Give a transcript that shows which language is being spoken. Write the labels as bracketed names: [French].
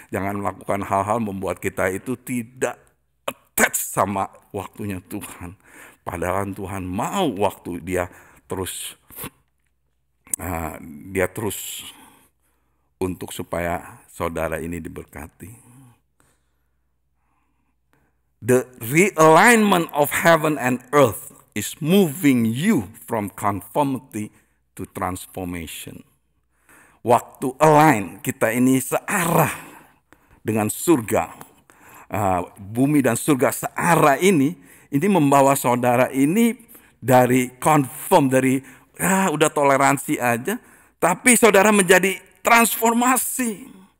[Indonesian] Jangan lakukan hal-hal membuat kita itu tidak attached sama waktunya Tuhan. Padahal Tuhan mau waktu dia terus untuk supaya saudara ini diberkati. [English] The realignment of heaven and earth is moving you from conformity to transformation. [Indonesian] Waktu align, kita ini searah dengan surga. Bumi dan surga searah ini membawa saudara ini dari conform, dari udah toleransi aja, tapi saudara menjadi transformasi.